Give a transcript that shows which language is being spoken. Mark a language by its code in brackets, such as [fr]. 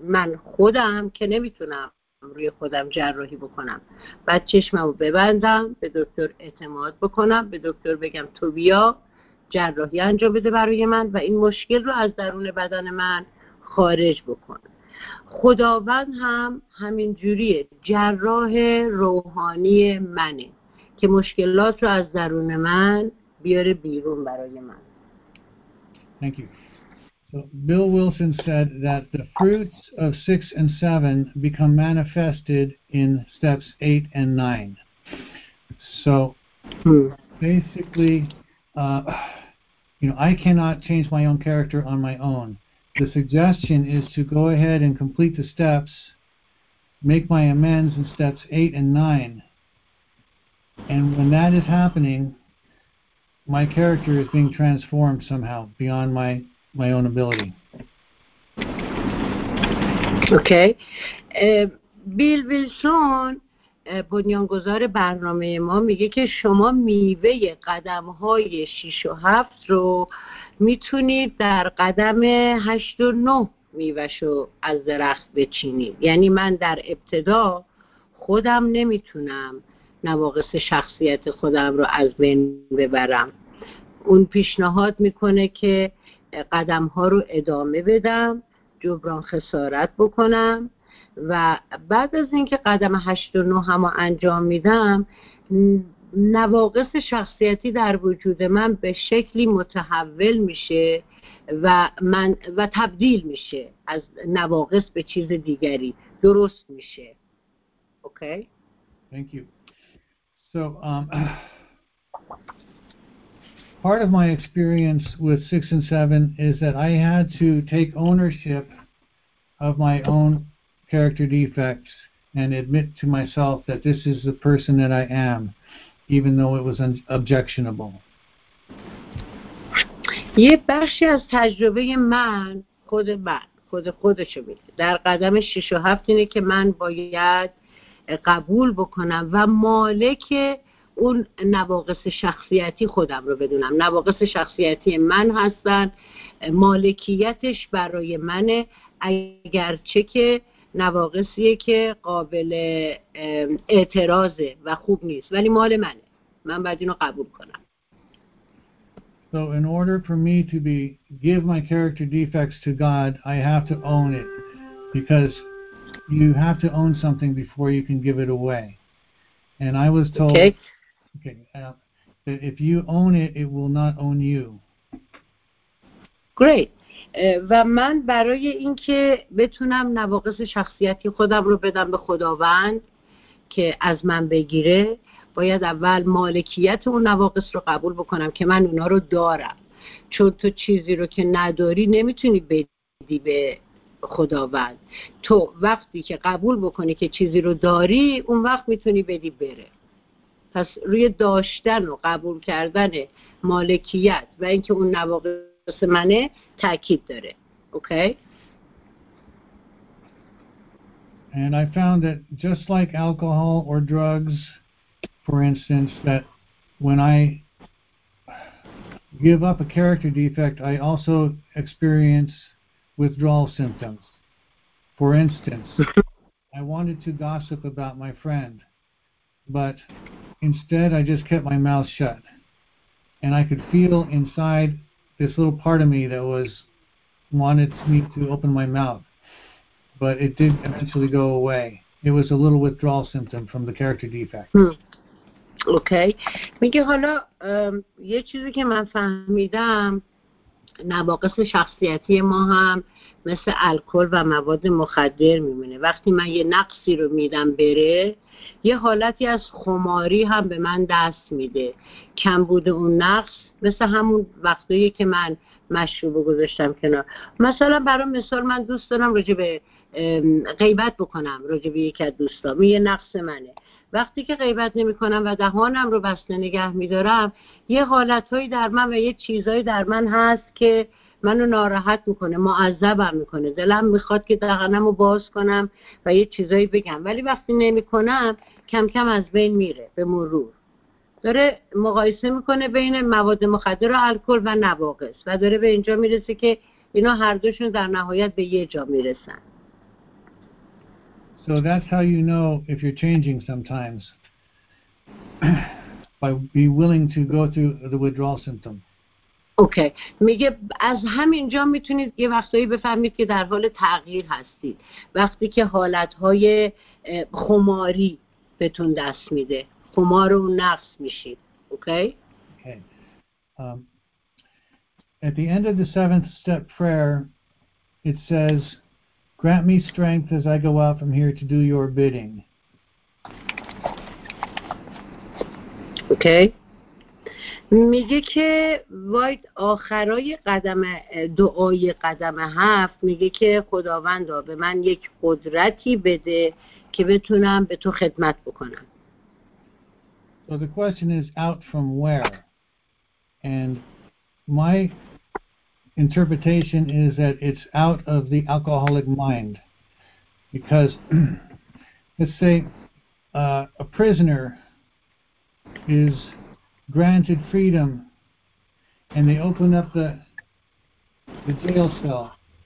[fa] من خودم که نمیتونم روی خودم جراحی بکنم، بعد چشمم رو ببندم، به دکتر اعتماد بکنم، به دکتر بگم تو بیا جراحی انجام بده برای من و این مشکل رو از درون بدن من خارج بکنم. خداوند هم همین جوریه، جراح روحانی منه که مشکلات رو از درون من بیاره بیرون برای من. [en] Thank you. So Bill Wilson said that the fruits of 6 and 7 become manifested in steps 8 and 9. So basically, I cannot change my own character on my own. The suggestion is to go ahead and complete the steps, make my amends in steps 8 and 9. And when that is happening, my character is being transformed somehow beyond my own ability. Okay. [fa] Bill Wilson, بنیانگذار برنامه ما، میگه که شما میوه قدم‌های 6 و 7 رو میتونید در قدم 8 و 9 میوه‌شو از درخت بچینید. یعنی من در ابتدا خودم نمیتونم نواقص شخصیت خودم رو از بین ببرم. اون پیشنهاد میکنه که قدم ها رو ادامه بدم، جبران خسارت بکنم و بعد از اینکه قدم 8 و 9 همو انجام میدم، نواقص شخصیتی در وجود من به شکلی متحول میشه و من و تبدیل میشه از نواقص به چیز دیگری، درست میشه. اوکی. [en] Thank you. So part of my experience with 6 and 7 is that I had to take ownership of my own character defects and admit to myself that this is the person that I am, even though it was objectionable. [fa] یه بخشی از تجربه من، خود من، خود خودشو میگه. در قدم 6 و 7 اینه که من باید قبول بکنم و مالک اون نواقص شخصیتی خودم رو بدونم. نواقص شخصیتی من هستن، مالکیتش برای منه، اگرچه که نواقصیه که قابل اعتراضه و خوب نیست، ولی مال منه، من باید اینو قبول کنم. [en] So in order for me to be give my character defects to God, I have to own it, because you have to own something before you can give it away. And I was told that if you own it, it will not own you. Great. [fa] و من برای اینکه بتونم نواقص شخصیتی خودم رو بدم به خداوند که از من بگیره، باید اول مالکیت اون نواقص رو قبول بکنم که من اونا رو دارم. چون تو چیزی رو که نداری نمیتونی بدی به خداوند. تو وقتی که قبول بکنی که چیزی رو داری، اون وقت میتونی بدی بره. پس روی داشتن و قبول کردن مالکیت و اینکه اون نواقص بس منه تأکید داره. اوکی. [en] And I found that just like alcohol or drugs, for instance, that when I give up a character defect, I also experience withdrawal symptoms. For instance, I wanted to gossip about my friend, but instead I just kept my mouth shut. And I could feel inside this little part of me that was wanted me to open my mouth, but it did eventually go away. It was a little withdrawal symptom from the character defect. Okay. [fa] میگه حالا یه چیزی که من فهمیدم، نواقص شخصیتی ما هم مثل الکل و مواد مخدر میمونه. وقتی من یه نقصی رو میدم بره، یه حالتی از خماری هم به من دست میده. کم بوده اون نقص مثل همون وقتایی که من مشروب گذاشتم کنار. مثلا برای مثال، من دوست دارم راجع به غیبت بکنم، راجع به یکی از دوستام، یه نقص منه. وقتی که غیبت نمی کنم و دهانم رو بسته نگه می دارم، یه حالتهایی در من و یه چیزهایی در من هست که منو ناراحت میکنه، معذبم میکنه، دلم میخواد که دهنمو باز کنم و یه چیزایی بگم، ولی وقتی نمیکنم کم کم از بین میره. به مرور داره مقایسه میکنه بین مواد مخدر و الکل و نواقص و داره به اینجا میرسه که اینا هر دوشون در نهایت به یه جا میرسن. [en] So that's how you know if you're changing sometimes by be willing to go through the withdrawal symptom. Okay. [fa] میگه از همینجا میتونید یه وقتایی بفهمید که در حال تغییر هستید. وقتی که حالتهای خماری بهتون دست میده. خمار و نقص میشید. Okay? Okay. [en] At the end of the seventh step prayer, it says, grant me strength as I go out from here to do your bidding. Okay. [fa] میگه که وای آخرای قدم دعای قدم هفت میگه که خداوندا به من یک قدرتی بده که بتونم به تو خدمت بکنم. [en] So the question is out from where? And my interpretation is that it's out of the alcoholic mind. Because let's say a prisoner is granted freedom and they open up the jail cell.